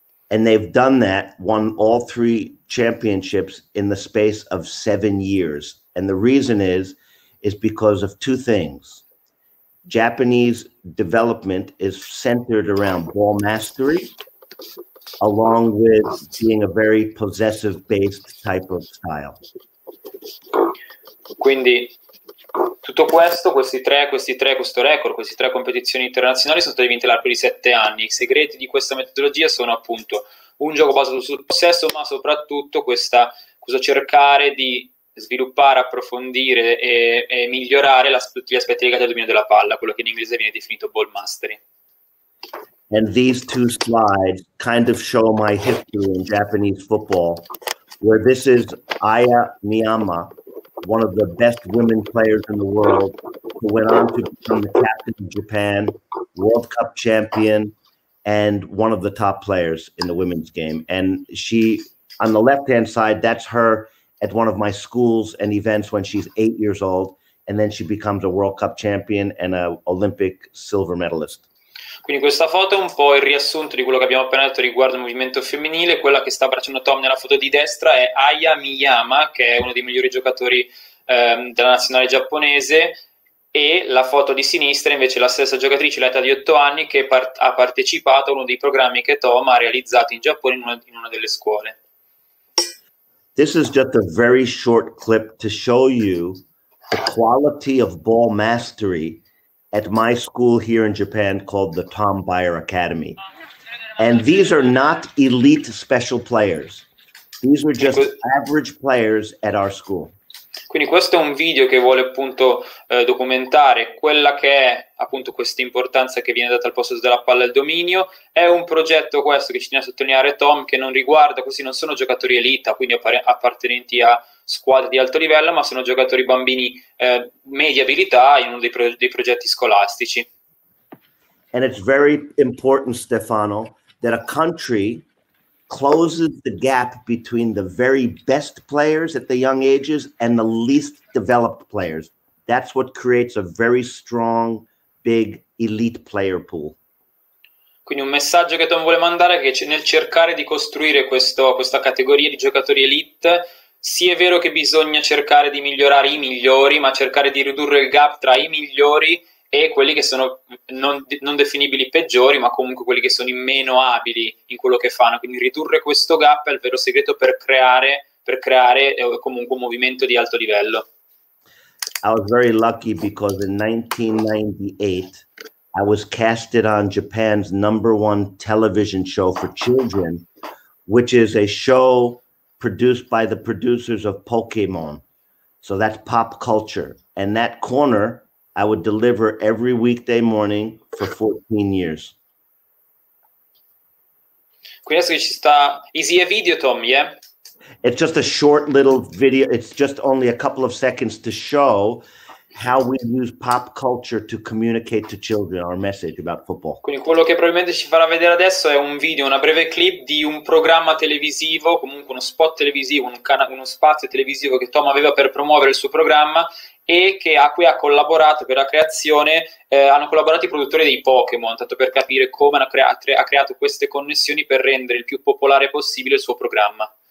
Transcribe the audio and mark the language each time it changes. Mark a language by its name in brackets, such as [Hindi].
[English] And they've done that, won all three championships in the space of 7 years. And the reason is because of two things. Japanese development is centered around ball mastery, along with being a very possessive-based type of style. [Italian] Quindi tutto questo, questo record, queste tre competizioni internazionali sono state vinte l'arco di 7 anni. I segreti di questa metodologia sono appunto un gioco basato sul possesso, ma soprattutto questo cercare di sviluppare, approfondire e migliorare tutti gli aspetti legati al dominio della palla, quello che in inglese viene definito ball mastery. [English] And these two slides kind of show my history in Japanese football, where this is Aya Miyama, one of the best women players in the world, who went on to become the captain of Japan, World Cup champion, and one of the top players in the women's game. And she, on the left-hand side, that's her at one of my schools and events when she's 8 years old, and then she becomes a World Cup champion and an Olympic silver medalist. [Italian] Quindi questa foto è un po' il riassunto di quello che abbiamo appena detto riguardo il movimento femminile. Quella che sta abbracciando Tom nella foto di destra è Aya Miyama, che è uno dei migliori giocatori della nazionale giapponese, e la foto di sinistra invece è la stessa giocatrice, all'età di 8 anni, che par ha partecipato a uno dei programmi che Tom ha realizzato in Giappone in una delle scuole. [English] This is just a very short clip to show you the quality of ball mastery at my school here in Japan called the Tom Beyer Academy. And these are not elite special players. These are just average players at our school. [Italian] Quindi questo è un video che vuole appunto documentare quella che è appunto questa importanza che viene data al posto della palla e al dominio. È un progetto questo che ci tiene a sottolineare Tom, che non riguarda, questi non sono giocatori elite, quindi appartenenti a squadre di alto livello, ma sono giocatori bambini media abilità in uno dei progetti scolastici. [English] And it's very important, Stefano, that a country closes the gap between the very best players at the young ages and the least developed players. That's what creates a very strong, big elite player pool. [Italian] Quindi un messaggio che Tom vuole mandare è che nel cercare di costruire questa categoria di giocatori elite, Sì, è vero che bisogna cercare di migliorare i migliori, ma cercare di ridurre il gap tra i migliori e quelli che sono non definibili peggiori, ma comunque quelli che sono i meno abili in quello che fanno. Quindi ridurre questo gap è il vero segreto per creare comunque un movimento di alto livello. [English] I was very lucky because in 1998, I was casted on Japan's number one television show for children, which is a show produced by the producers of Pokemon. So that's pop culture. And that corner, I would deliver every weekday morning for 14 years. [Italian] Quindi adesso che ci sta, easy a video, Tom, yeah? [English] It's just a short little video. It's just only a couple of seconds to show how we use pop culture to communicate to children our message about football. [Italian] Quindi quello che probabilmente ci farà vedere adesso è un video, una breve clip di un programma televisivo, comunque uno spot televisivo, uno spazio televisivo che Tom aveva per promuovere il suo programma e che a cui ha collaborato per la creazione, hanno collaborato i produttori dei Pokémon, tanto per capire come ha creato queste connessioni per rendere il più popolare possibile il suo programma.